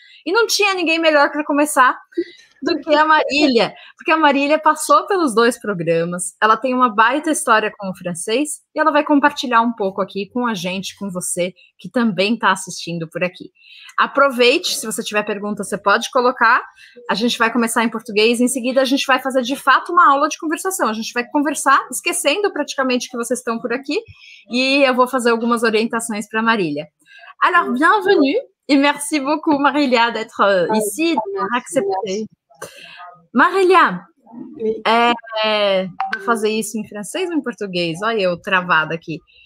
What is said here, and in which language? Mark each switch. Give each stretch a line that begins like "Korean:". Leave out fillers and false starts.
Portuguese: E não tinha ninguém melhor para começar do que a Marília, porque a Marília passou pelos dois programas, ela tem uma baita história com o francês e ela vai compartilhar um pouco aqui com a gente, com você, que também está assistindo por aqui. Aproveite, se você tiver pergunta, você pode colocar. A gente vai começar em português e em seguida a gente vai fazer de fato uma aula de conversação. A gente vai conversar, esquecendo praticamente que vocês estão por aqui, e eu vou fazer algumas orientações para a Marília.
French: Alors, bienvenue et merci beaucoup, Marília, d'être ici, d'accepter.
Portuguese: Marilia, vou fazer isso em francês ou em português? Olha eu travada aqui.